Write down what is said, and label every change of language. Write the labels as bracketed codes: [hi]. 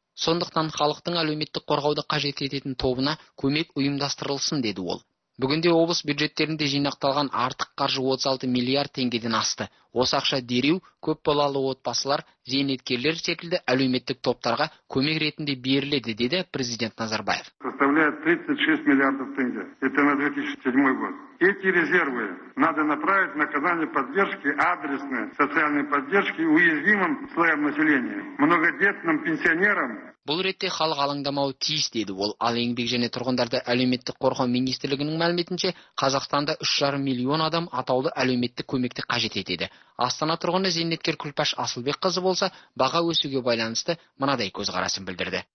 [kk] Сондықтан халықтың әлеуметтік қорғауды қажет ететін тобына көмек ұйымдастырылсын деді ол. Бүгінде облыс бюджеттерінде жинақталған артық қаржы 36 миллиард теңгеден асты. Осы ақша дереу көпбалалы отбасылар, зейнеткерлер секілді әлеуметтік топтарға көмек ретінде беріледі деді президент Назарбаев. [ru] Составляет 36 миллиардов теңге. Это на 2007 год. Эти резервы надо направить на оказание поддержки, адресной социальной поддержки уязвимым слоям населения, многодетным пенсионерам. [kk] Бұл ретте халық алаңдамауы тиіс деді ол. Ал еңбек және тұрғындарды әлеуметтік қорғау министрлігінің мәліметінше, Қазақстанда 3,5 миллион адам атаулы әлеуметтік көмекті қажет етеді. Астана тұрғыны зейнеткер Күлпаш Асылбек қызы болса, баға өсуге байланысты мынадай көзқарасын білдірді.